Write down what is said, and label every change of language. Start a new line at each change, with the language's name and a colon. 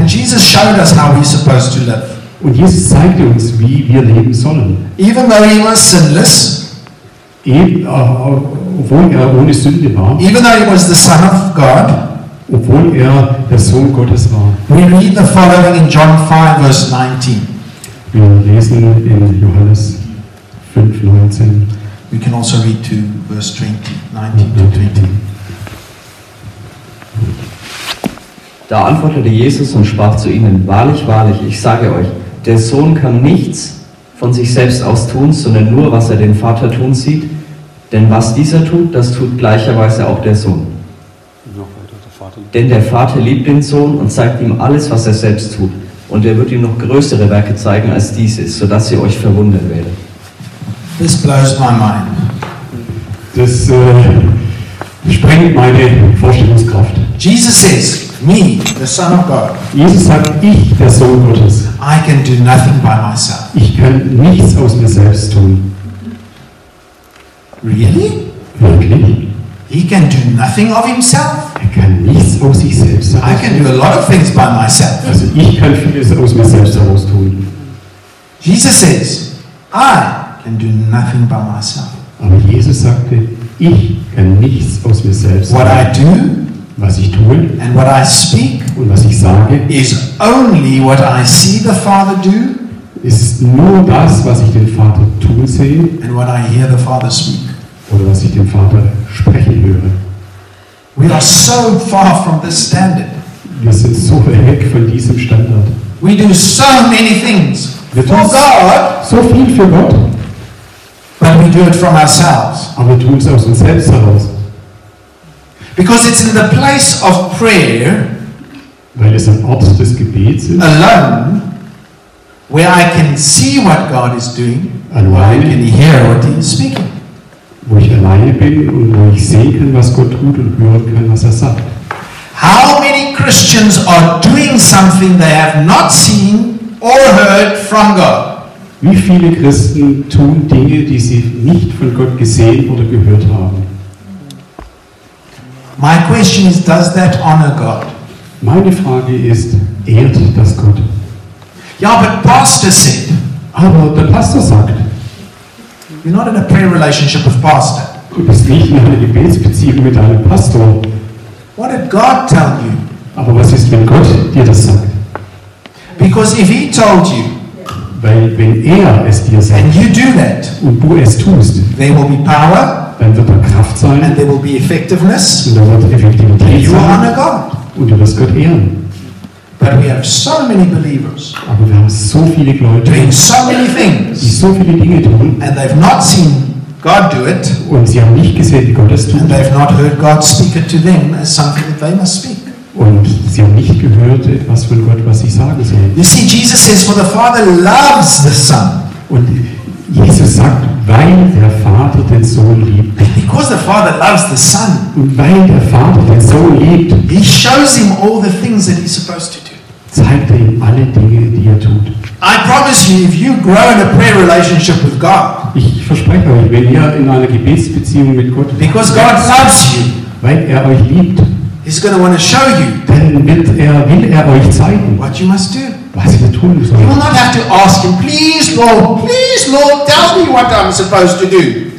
English: And Jesus showed us how we're supposed to live.
German: Und Jesus zeigte uns, wie wir leben sollen.
English: Even though he was sinless,
German: obwohl er ohne Sünde war,
English: even though he was the Son of God,
German: obwohl er der Sohn Gottes war,
English: we read the following in John 5, verse 19.
German: Wir lesen in Johannes 5, 19.
English: We can also read to verse 20, 19 to 20.
German: Da antwortete Jesus und sprach zu ihnen, wahrlich, wahrlich, ich sage euch, der Sohn kann nichts von sich selbst aus tun, sondern nur, was er den Vater tun sieht. Denn was dieser tut, das tut gleicherweise auch der Sohn. Denn der Vater liebt den Sohn und zeigt ihm alles, was er selbst tut. Und er wird ihm noch größere Werke zeigen als diese, sodass ihr euch verwundern werdet.
English: This blows my mind.
German: Das sprengt meine Vorstellungskraft.
English: Jesus says, me, the Son of God.
German: Jesus sagt, ich, der Sohn Gottes.
English: I can do nothing by myself.
German: Ich kann nichts aus mir selbst tun.
English: Really?
German: Wirklich?
English: He can do nothing of himself?
German: Er kann nichts aus sich selbst tun. selbst heraus.
English: I can do a lot of things by myself.
German: Also ich kann vieles aus mir selbst heraus tun.
English: Jesus says, I can do nothing by myself.
German: Aber Jesus sagte, ich kann nichts aus mir selbst.
English: What I do,
German: was ich tue,
English: and what I speak,
German: und was ich sage,
English: is only what I see the Father do,
German: ist nur das, was ich den Vater tun sehe,
English: and what I hear the Father speak,
German: oder was ich den Vater sprechen höre.
English: We are so far from this standard.
German: Wir sind so weg von diesem Standard.
English: We do so many things for God,
German: so viel für Gott,
English: but we do it from ourselves.
German: Aber wir tun es aus uns selbst heraus.
English: Because it's in the place of prayer,
German: weil es ein Ort des Gebets ist,
English: alone, where I can see what God is doing,
German: alleine,
English: where I can hear what He is speaking.
German: Wo ich alleine bin und wo ich sehen kann, was Gott tut und hören kann, was er sagt.
English: How many Christians are doing something they have not seen or heard from God?
German: Wie viele Christen tun Dinge, die sie nicht von Gott gesehen oder gehört haben?
English: My question is, does that honor God?
German: Meine Frage ist, ehrt das Gott?
English: Ja, but Pastor said.
German: Aber der Pastor sagt.
English: You're not in a prayer relationship with Pastor.
German: Du bist nicht in einer Gebetsbeziehung mit deinem Pastor.
English: What did God tell you?
German: Aber was ist, wenn Gott dir das sagt?
English: Because if He told you,
German: weil wenn er es dir sagt,
English: and you do that,
German: und du es tust,
English: there will be power,
German: dann wird da Kraft sein,
English: and there will be effectiveness,
German: und dann wird Effektivität
English: and you
German: sein,
English: honor God.
German: Und du wirst Gott ehren.
English: But we have so many believers,
German: aber wir haben so viele Gläubige,
English: doing so many things,
German: die so viele Dinge tun,
English: and they've not seen God do it,
German: und sie haben nicht gesehen, wie Gott es tut,
English: and they've not heard God speak it to them as something that they must speak.
German: Und sie haben nicht gehört, etwas von Gott, was sie sagen sollen.
English: You see, Jesus says, for the Father loves the Son.
German: Und Jesus sagt, weil der Vater den Sohn liebt.
English: Because the Father loves the Son.
German: Und weil der Vater den Sohn liebt.
English: He shows him all the things that he's supposed to do.
German: Zeigt er ihm alle Dinge, die er tut.
English: I promise you, if you grow in a prayer relationship with God.
German: Ich verspreche euch, wenn ihr in einer Gebetsbeziehung mit Gott.
English: Because God loves you.
German: Weil er euch liebt.
English: He's going to want to show you.
German: Dann will er euch zeigen,
English: what you must do.
German: Was ihr tun sollt.
English: You will not have to ask him, please, Lord, tell me what I'm supposed to do.